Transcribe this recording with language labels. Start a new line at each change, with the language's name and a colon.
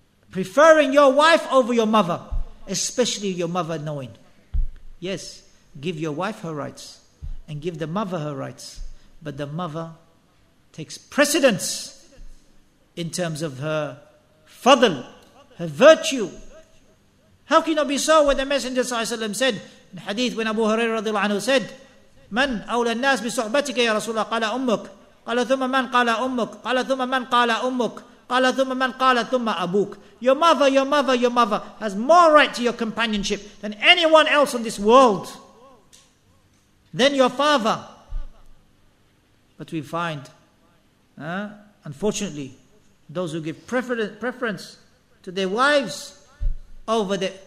English: Preferring your wife over your mother, especially your mother knowing. Yes, give your wife her rights and give the mother her rights. But the mother takes precedence in terms of her fadl, her virtue. How can it be so when the Messenger ﷺ said, in hadith when Abu Hurairah radiallahu anhu said,
Arabic: من أولى الناس بصحبتك يا رسول الله قال أمك قال ثم من قال أمك قال ثم من قال أمك قال ثم من قال ثم أبوك.
English: Your mother has more right to your companionship than anyone else on this world. Then your father. But we find, unfortunately, those who give preference to their wives over the...